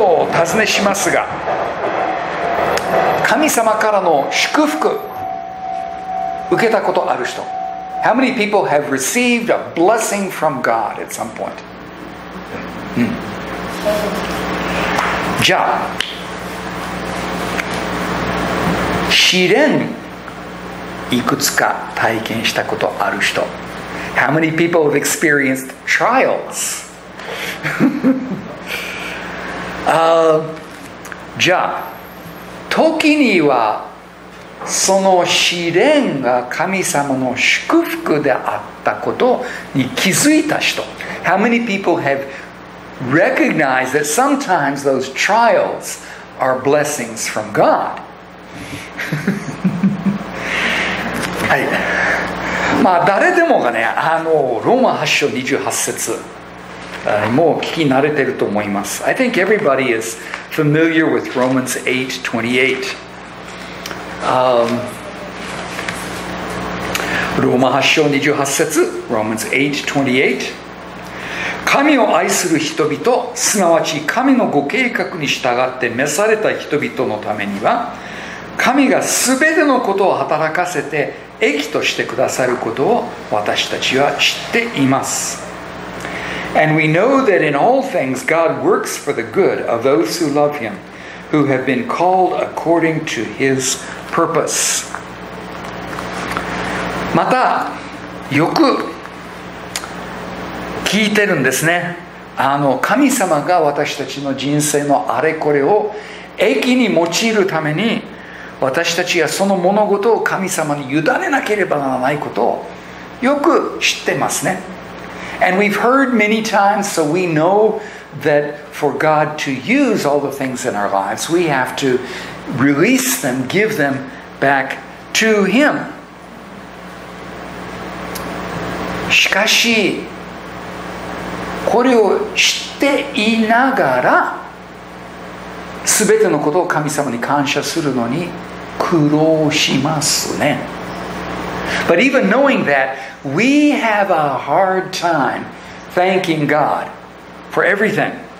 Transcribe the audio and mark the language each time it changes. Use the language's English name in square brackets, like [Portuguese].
[Japanese] 尋ねしますが、神様からの祝福受けたことある人、 [English] How many people have received a blessing from God at some point?、 [Japanese] じゃあ、試練いくつか体験したことある人、 [English] How many people have experienced trials? [Japanese] じゃあ時にはその試練が神様の祝福であったことに気づいた人、 [English] How many people have recognized that sometimes those trials are blessings from God? [Japanese] はい、まあ誰でもがね、あのローマ8章28節もう聞き慣れてると思います。 [English] I think everybody is familiar with Romans 8:28. [Japanese] ローマ8章28節、 [English] Romans 8:28. [Japanese] 神を愛する人々、すなわち神のご計画に従って召された人々のためには、神がすべてのことを働かせて益としてくださることを私たちは知っています。 [English] And we know that in all things God works for the good of those who love Him, who have been called according to His purpose. [Japanese] またよく聞いてるんですね。あの神様が私たちの人生のあれこれを益に用いるために、私たちはその物事を神様に委ねなければならないことをよく知ってますね。 [English] And we've heard many times, so we know that for God to use all the things in our lives, we have to release them, give them back to Him. [Japanese] しかし、これを知っていながら、すべてのことを神様に感謝するのに苦労しますね。 [English] But even knowing that, we have a hard time thanking God for everything.